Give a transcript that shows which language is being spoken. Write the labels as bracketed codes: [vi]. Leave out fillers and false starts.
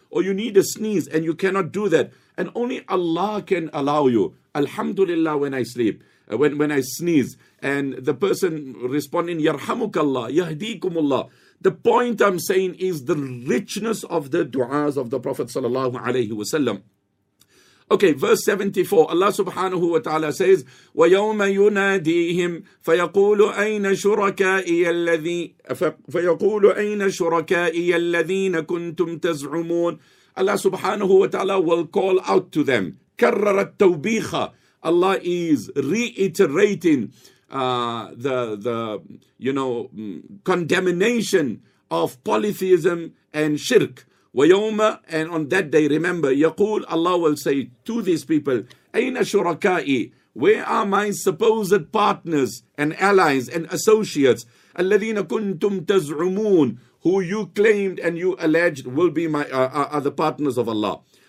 [en] Or you need a sneeze, and you cannot do that. And only Allah can allow you. Alhamdulillah, when I sleep, when I sneeze, and the person responding, Yarhamukallah, Yahdikumullah. The point I'm saying is the richness of the du'as of the Prophet sallallahu alayhi wa sallam. Okay, verse 74, Allah subhanahu wa ta'ala says, [ar] وَيَوْمَ يُنَادِيهِمْ فَيَقُولُ أَيْنَ شُرَكَائِيَ الَّذِي فَيَقُولُ أَيْنَ شُرَكَائِيَ الَّذِينَ كُنْتُمْ تَزْعُمُونَ. [en] Allah subhanahu wa ta'ala will call out to them. [ar] كَرَّرَ التَّوْبِيخَ. [en] Allah is reiterating the condemnation of polytheism and shirk. وَيَوْمَ, and on that day, remember, يَقُول, Allah will say to these people, [ar] أَيْنَ شُرَكَائِي, [en] where are my supposed partners and allies and associates, [ar] الَّذِينَ كُنْتُمْ تَزْعُمُونَ, [en] who you claimed and you alleged will be my are the partners of Allah.